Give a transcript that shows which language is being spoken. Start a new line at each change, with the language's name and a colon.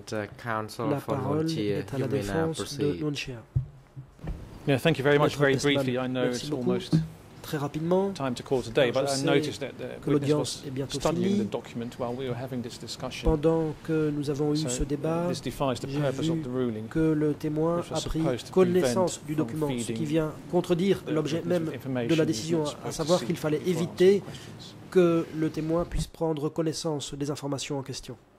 French: La parole est à la défense de Nguyen Chia.
English: Yeah, thank you very much. Very briefly, I know it's almost
French: très rapidement.
English: Time to call today, but I noticed that the witness was studying the document while we were having this discussion.
French: Pendant que nous avons eu ce débat,
English: this defies the purpose of the ruling.
French: Que le témoin a pris connaissance du document, ce qui vient contredire l'objet même de la décision, à savoir qu'il fallait éviter que le témoin puisse prendre connaissance des informations en question.